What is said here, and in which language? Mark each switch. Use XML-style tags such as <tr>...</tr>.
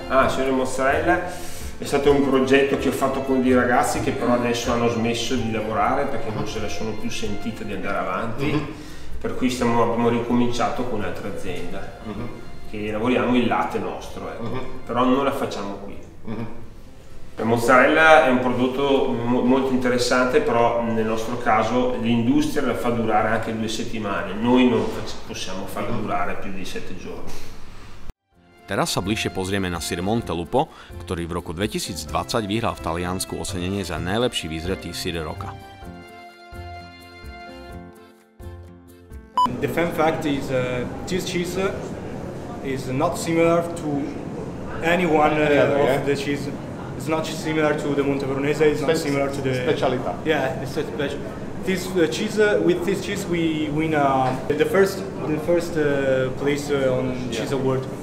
<it>Ah, signora mozzarella, è stato un progetto che ho fatto con dei ragazzi che però adesso hanno smesso di lavorare perché non se la sono più sentita di andare avanti, per cui abbiamo ricominciato con un'altra azienda, che lavoriamo il latte nostro, ecco. Però non la facciamo qui. La mozzarella è un prodotto molto interessante, però nel nostro caso l'industria la fa durare anche 2 settimane, noi non possiamo farla durare più di 7 giorni.</it> <sk>Teraz sa bližšie pozrieme na syr Montelupo, ktorý v roku 2020 vyhral v Taliansku ocenenie za najlepší vyzretý syr roka.</sk> <en>The fun fact is this cheese is not similar to anyone of the cheese. It's not similar to the Montepulciano, it's not similar to the</en> <it>specialità.</it> <en>Yeah, it's a special. This cheese, with this cheese we win the first place on cheese award.</en>